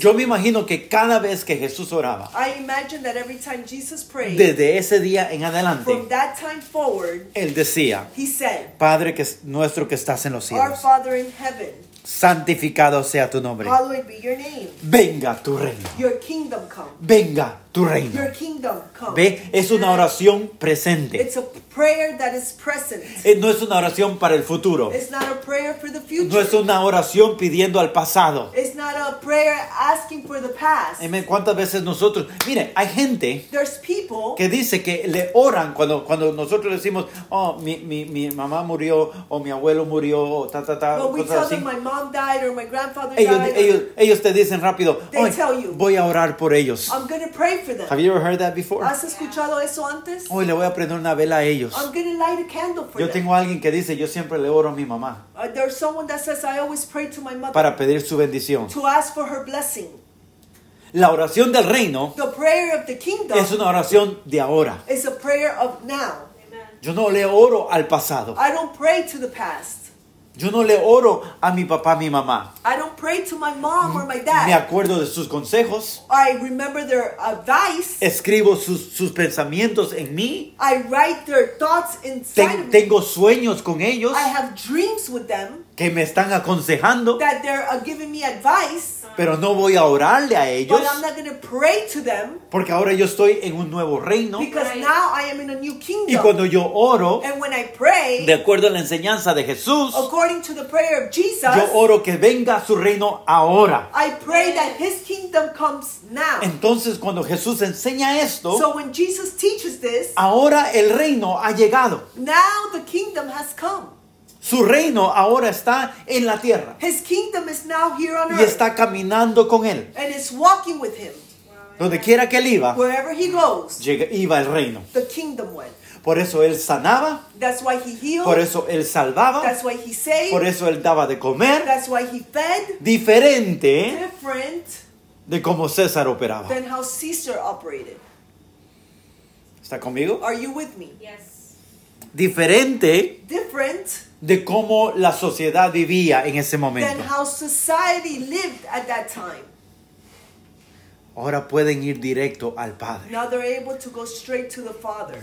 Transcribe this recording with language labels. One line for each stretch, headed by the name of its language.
Spanish: Yo me imagino que cada vez que Jesús oraba.
English: I imagine that every time Jesus prayed.
Spanish: Desde ese día en adelante.
English: From that time forward.
Spanish: Él decía.
English: He said.
Spanish: Padre que es nuestro que estás en los cielos.
English: Our Father in heaven.
Spanish: Santificado sea tu nombre.
English: Hallowed be your name.
Spanish: Venga tu reino.
English: Your kingdom come.
Spanish: Venga tu reino.
English: Your kingdom come.
Spanish: Ve, es una oración presente.
English: It's a prayer that is present.
Spanish: No es una oración para el futuro.
English: It's not a prayer for the future.
Spanish: No es una oración pidiendo al pasado.
English: It's not a prayer asking for the past.
Spanish: Amen. ¿Cuántas veces nosotros? Mire, hay gente.
English: There's people
Spanish: que dice que le oran cuando nosotros decimos, oh, mi mamá murió o mi abuelo murió o ta ta ta.
English: But we tell them my mom died or my grandfather died.
Spanish: Ellos te dicen rápido.
English: They tell you.
Spanish: Voy a orar por ellos.
English: I'm gonna pray. For them. Have you ever heard that before?
Spanish: ¿Has escuchado eso antes? Hoy le voy a prender una vela a ellos.
English: I'm gonna light a candle for
Spanish: yo
English: them.
Spanish: Tengo alguien que dice, yo siempre le oro a mi mamá.
English: There's someone that says, I always pray to my mother.
Spanish: Para pedir su bendición.
English: To ask for her blessing.
Spanish: La oración del reino.
English: The prayer of the kingdom.
Spanish: Es una oración de ahora.
English: It's a prayer of now.
Spanish: Amen. Yo no le oro al pasado.
English: I don't pray to the past.
Spanish: Yo no le oro a mi papá, a mi mamá.
English: I don't pray to my mom or my dad.
Spanish: Me acuerdo de sus consejos.
English: I remember their advice.
Spanish: Escribo sus pensamientos en mí.
English: I write their thoughts inside of me.
Spanish: Tengo sueños con ellos.
English: I have dreams with them.
Spanish: que me están aconsejando,
English: that they're giving me advice,
Spanish: pero no voy a orarle a ellos,
English: but I'm not gonna pray to them,
Spanish: porque ahora yo estoy en un nuevo reino,
English: because right. Now I am in a new kingdom.
Spanish: Y cuando yo oro,
English: and when I pray,
Spanish: de acuerdo a la enseñanza de Jesús,
English: according to the prayer of Jesus,
Spanish: yo oro que venga su reino ahora.
English: I pray that his kingdom comes now.
Spanish: Entonces cuando Jesús enseña esto,
English: so when Jesus teaches this,
Spanish: ahora el reino ha llegado.
English: Now the kingdom has come.
Spanish: Su reino ahora está en la tierra.
English: His kingdom is now here on earth.
Spanish: Y está caminando con él.
English: And is walking with him.
Spanish: Donde quiera que él iba,
English: wherever he goes,
Spanish: iba el reino.
English: The kingdom went.
Spanish: Por eso él sanaba.
English: That's why he healed.
Spanish: Por eso él salvaba.
English: That's why he saved.
Spanish: Por eso él daba de comer.
English: That's why he fed.
Spanish: Diferente.
English: Different.
Spanish: De cómo César operaba.
English: Than how Caesar operated.
Spanish: ¿Está conmigo?
English: Are you with me? Yes.
Spanish: Diferente.
English: Different.
Spanish: De cómo la sociedad vivía en ese momento.
English: Than how society lived at that time.
Spanish: Ahora pueden ir directo al Padre.
English: Now they're able to go straight to the Father.